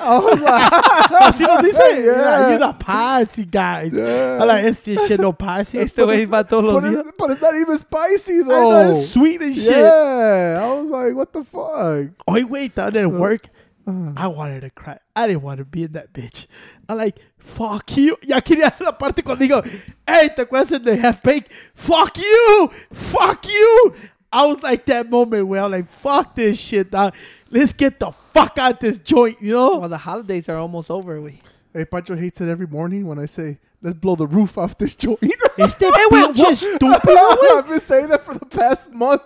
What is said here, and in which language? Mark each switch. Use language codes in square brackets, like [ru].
[es] Así nos dicen, [en] you're the paisa guy. Yeah. I'm like, este shit no paisa. [es] Este güey va todos los días. [en] But it's not even spicy, though. It's sweet and shit. Yeah. I was like, what the fuck? Oh, wait, that didn't work. I wanted to cry. I didn't want to be in that bitch. I'm like, fuck you. [es] Ya quería la parte cuando digo, hey, te acuerdas de Half Baked? [en] Fuck you. Fuck you. I was like that moment where I'm like, fuck this shit, dog. Let's get the fuck out this joint, you know? Well, the holidays are almost over, we. Hey, Pancho hates it every morning when I say, let's blow the roof off this joint. [es] Este pinche estúpido, güey. [en] I've been saying that for the past month.